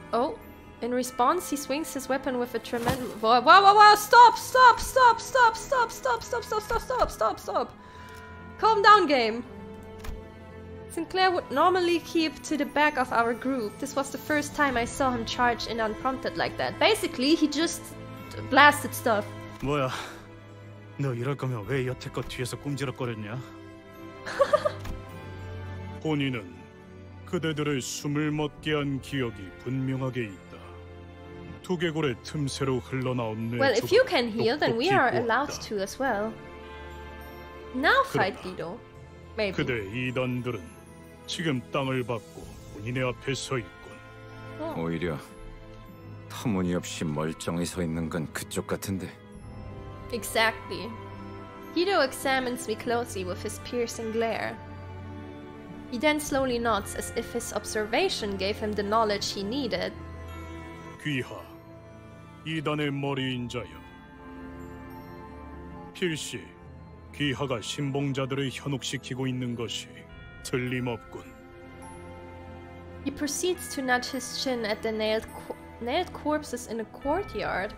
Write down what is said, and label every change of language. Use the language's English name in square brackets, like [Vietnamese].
[English] Oh, in response, he swings his weapon with a tremendous. Wow! Stop! Calm down, game. Sinclair would normally keep to the back of our group. This was the first time I saw him charge in unprompted like that. Basically, he just blasted stuff. [Korean] 뭐야? 너 이럴 거면 왜 여태껏 뒤에서 꿈지럭거렸냐? 본인은 그대들의 숨을 멎게 한 기억이 분명하게 있다. 두개골의 틈새로 흘러나온 내 [English] Well, if you can heal, then we are allowed to as well. Now fight, Guido. Maybe. [Korean] 그대 이단들은 지금 땅을 받고 본인의 앞에 서 있군. [English] Oh. [Korean] 오히려 터무니없이 멀쩡히 서 있는 건 그쪽 같은데. [English] Exactly. Guido examines me closely with his piercing glare. He then slowly nods as if his observation gave him the knowledge he needed. [Korean] 귀하, 이단의 머리인 자여. 필시, 귀하가 신봉자들을 현혹시키고 있는 것이 틀림없군. [English] He proceeds to nudge his chin at the nailed corpses in a courtyard.